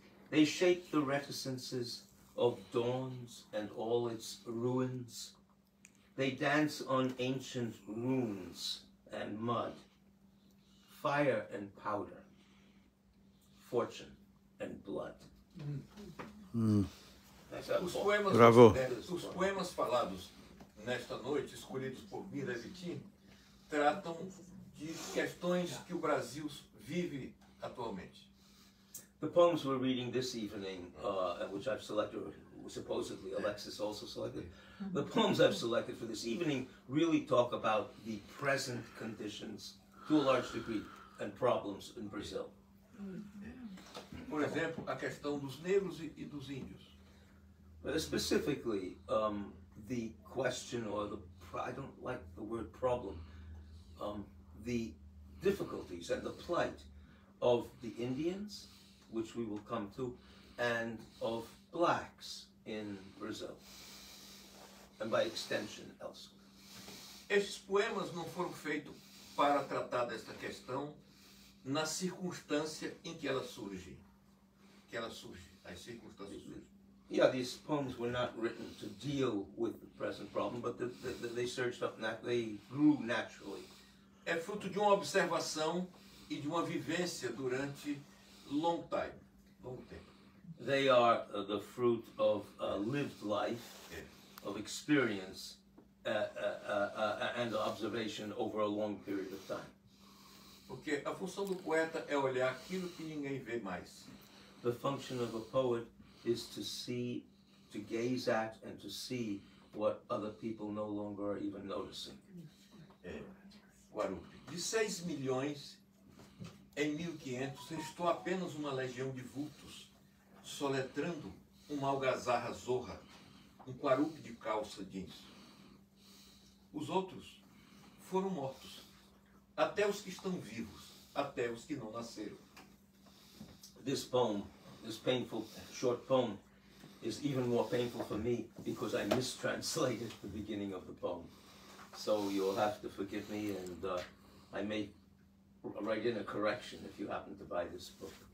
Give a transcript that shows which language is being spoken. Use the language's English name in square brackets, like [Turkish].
[English] They shape the reticences of dawns and all its ruins. They dance on ancient runes and mud, fire and powder, fortune and blood. Bravo. [Portuguese] Os poemas falados nesta noite, escolhidos por mim, Levitin, tratam de questões que o Brasil vive atualmente. [English] The poems we're reading this evening, which I've selected, supposedly Alexis also selected, the poems I've selected for this evening really talk about the present conditions, to a large degree, and problems in Brazil. [Portuguese] Por exemplo, a questão dos negros e dos índios. [English] But specifically, the question or the, I don't like the word problem, the difficulties and the plight of the Indians, which we will come to, and of blacks in Brazil, and by extension elsewhere. [Portuguese] Estes poemas não foram feitos para tratar desta questão na circunstância em que ela surge. Que ela surge, as circunstâncias surgem. [English] Yeah, these poems were not written to deal with the present problem, but they surged up, they grew naturally. [Portuguese] É fruto de uma observação e de uma vivência durante [English] long time. [Portuguese] Long tempo. [English] They are the fruit of lived life, yeah, of experience, and observation over a long period of time. [Portuguese] Porque a função do poeta é olhar aquilo que ninguém vê mais. [English] The function of a poet is to see, to gaze at, and to see what other people no longer are even noticing. [Portuguese] De 6 milhões em 1500, estou apenas uma legião de vultos, soletrando uma algazarra zorra, um quarupe de calça jeans. Os outros foram mortos, até os que estão vivos, até os que não nasceram. [English] This poem, this painful short poem, is even more painful for me because I mistranslated the beginning of the poem. So you'll have to forgive me, and I may write in a correction if you happen to buy this book.